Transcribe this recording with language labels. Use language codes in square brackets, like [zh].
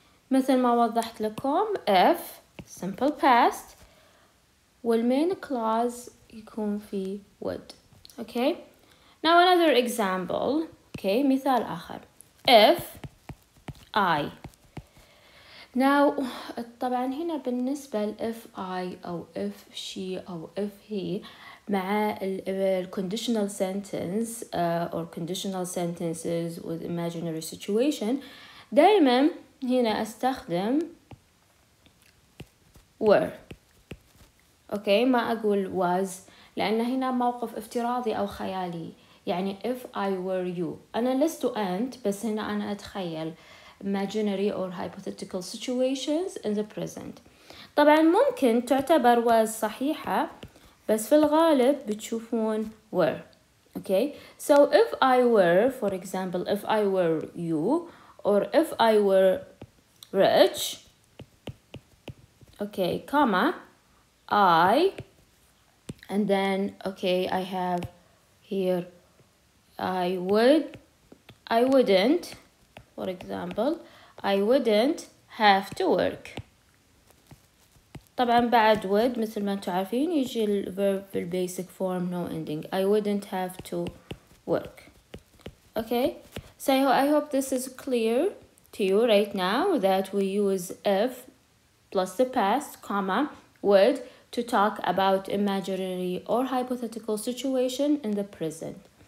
[ar] مثل ما وضحت لكم [en] if simple past [ar] والمين كلاس يكون في would, okay. [en] Now another example, okay, [ar] مثال آخر. [en] If I, now [ar] طبعا هنا بالنسبة ل if I أو if she أو if he مع ال [en] conditional sentence or conditional sentences with imaginary situation, [ar] دائما هنا أستخدم were, okay, ما أقول was لأن هنا موقف افتراضي أو خيالي. [en] يعني if I were you, [ar] أنا لست أنت بس هنا أنا أتخيل [en] imaginary or hypothetical situations in the present. [ar] طبعا ممكن تعتبر was صحيحة بس في الغالب بتشوفون were, okay. [en] So if I were, for example, if I were you or if I were rich, okay, comma, I, and then okay, I have here I would, I wouldn't, for example, I wouldn't have to work. [ar] طبعا بعد would مثل ما انتم عارفين يجي الverb في [en] basic form no ending. I wouldn't have to work. Okay, so I hope this is clear to you right now that we use if plus the past, comma, would to talk about imaginary or hypothetical situation in the present.